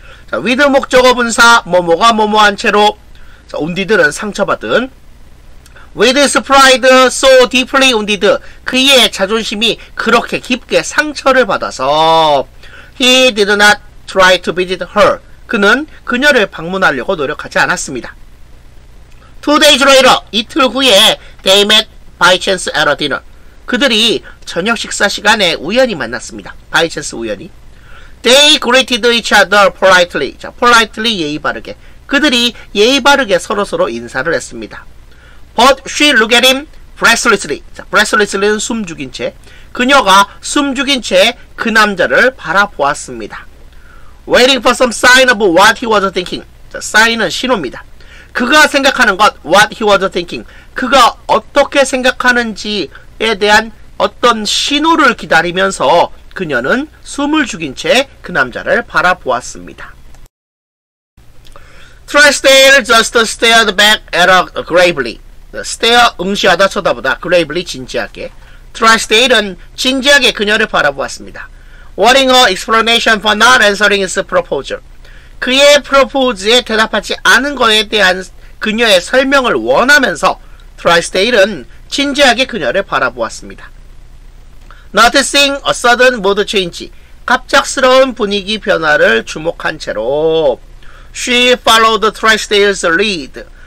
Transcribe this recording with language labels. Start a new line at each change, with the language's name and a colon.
Korean: 자, with 목적어 분사, 뭐뭐가 뭐뭐한 채로 자, wounded는 상처받은
English: With his pride so deeply wounded,
Korean: 그의 자존심이 그렇게 깊게 상처를 받아서
English: He did not try to visit her.
Korean: 그는 그녀를 방문하려고 노력하지 않았습니다.
English: Two days later,
Korean: 이틀 후에
English: They met by chance at a dinner.
Korean: 그들이 저녁 식사 시간에 우연히 만났습니다.
English: By chance
Korean: 우연히
English: They greeted each other politely.
Korean: 자, politely 예의 바르게 그들이 예의 바르게 서로서로 인사를 했습니다.
English: But she looked at him breathlessly.
Korean: 자, breathlessly는 숨죽인 채 그녀가 숨죽인 채 그 남자를 바라보았습니다.
English: Waiting for some sign of what he was thinking.
Korean: 자, sign은 신호입니다. 그가 생각하는 것
English: what he was thinking.
Korean: 그가 어떻게 생각하는지에 대한 어떤 신호를 기다리면서 그녀는 숨을 죽인 채 그 남자를 바라보았습니다.
English: Trisdale just stared back at her gravely.
Korean: Stare, 응시하다, 쳐다보다. Gravely, 진지하게. Trisdale은 진지하게 그녀를 바라보았습니다.
English: Wanting her explanation for not answering his proposal.
Korean: 그의 프로포즈에 대답하지 않은 것에 대한 그녀의 설명을 원하면서 Trisdale은 진지하게 그녀를 바라보았습니다.
English: Noticing a sudden mood change.
Korean: 갑작스러운 분위기 변화를 주목한 채로
English: She followed Trisdale's lead.